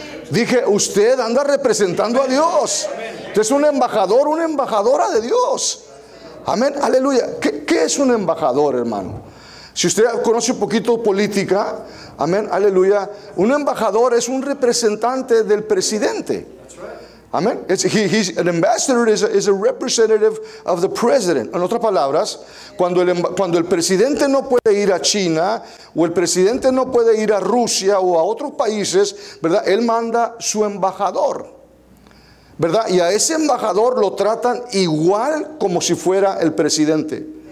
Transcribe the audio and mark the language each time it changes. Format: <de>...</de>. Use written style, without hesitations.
<es>Dije, usted anda representando a Dios. Usted es un embajador, una embajadora de Dios. Amén, aleluya. ¿Qué es un embajador, hermano? Si usted conoce un poquito política, amén, aleluya. Un embajador es un representante del presidente. Amén.</es> <en>He's an ambassador is a representative of the president.</en> <es>En otras palabras, cuando el presidente no puede ir a China, o el presidente no puede ir a Rusia o a otros países, ¿verdad?, él manda su embajador, ¿verdad? Y a ese embajador lo tratan igual como si fuera el presidente.</es>